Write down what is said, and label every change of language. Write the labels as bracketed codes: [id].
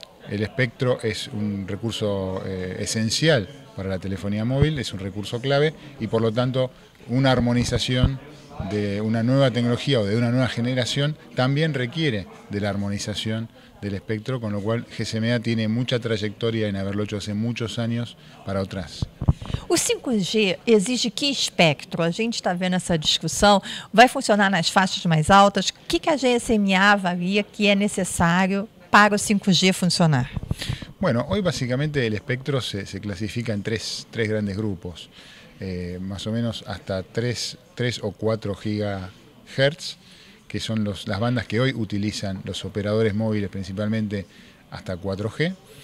[es] El espectro es un recurso esencial para la telefonía móvil, es un recurso clave y por lo tanto una armonización de una nueva tecnología o de una nueva generación también requiere de la armonización del espectro, con lo cual GSMA tiene mucha trayectoria en haberlo hecho hace muchos años para otras. [pt] O 5G exige que espectro? A gente está vendo essa discussão. Vai funcionar nas faixas mais altas? O que a GSMA avalia que é necessário para o 5G funcionar? [es] Bueno, hoy básicamente el espectro se clasifica en tres grandes grupos. Más o menos hasta 3 o 4 gigahertz, que son las bandas que hoy utilizan los operadores móviles, principalmente hasta 4G.